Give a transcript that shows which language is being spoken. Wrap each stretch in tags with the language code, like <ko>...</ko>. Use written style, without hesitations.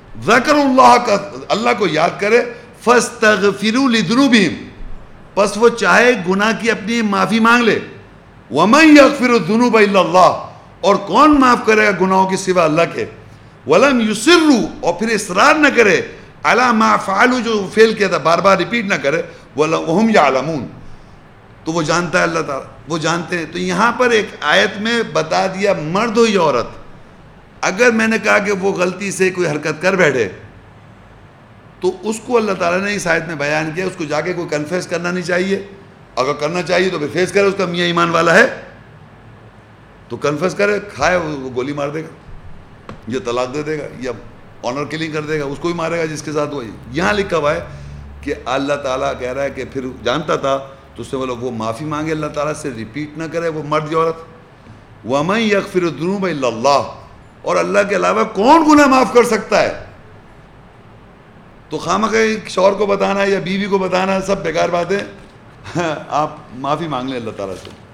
<ur>ذکر اللہ کا اللہ کو یاد کرے,</ur> <ar>فاستغفروا لذنوبهم,</ar> <ur>پس وہ چاہے گناہ کی اپنی معافی مانگ لے,</ur> <ar>ومن یغفر الذنوب الا اللہ,</ar> <ur>اور کون معاف کرے گا گناہوں کی سوا اللہ کے,</ur> <ar>ولم یصروا,</ar> <ur>اور پھر اصرار نہ کرے,</ur> <ar>علی ما فعلوا,</ar> <ur>جو فیل کیا تھا بار بار ریپیٹ نہ کرے,</ur> <ar>وهم یعلمون,</ar> <ur>تو وہ جانتا ہے اللہ تعالیٰ, وہ جانتے ہیں. تو یہاں پر ایک آیت میں بتا دیا مرد ہو یا عورت, اگر میں نے کہا کہ وہ غلطی سے کوئی حرکت کر بیٹھے تو اس کو اللہ تعالیٰ نے اس آیت میں بیان کیا, اس کو جا کے کوئی کنفیس کرنا نہیں چاہیے, اگر کرنا چاہیے تو پھر فیس کرے, اس کا میاں ایمان والا ہے تو کنفیس کرے, کھائے وہ گولی مار دے گا یا طلاق دے دے گا یا آنر کلنگ کر دے گا, اس کو بھی مارے گا جس کے ساتھ وہ. یہاں لکھا ہوا ہے کہ اللہ تعالیٰ کہہ رہا ہے کہ پھر جانتا تھا تو اس نے بولا وہ معافی مانگے اللہ تعالیٰ سے, ریپیٹ نہ کرے وہ مرد عورت.</ur> <ar>وَمَن يَغْفِرُ الذُّنُوبَ إِلَّا اللَّهُ,</ar> <ur>اور اللہ کے علاوہ کون گناہ معاف کر سکتا ہے؟ تو خامہ کہ شوہر کو بتانا یا بیوی کو بتانا سب بیکار باتیں, آپ معافی مانگ لیں اللہ تعالیٰ سے.</ur>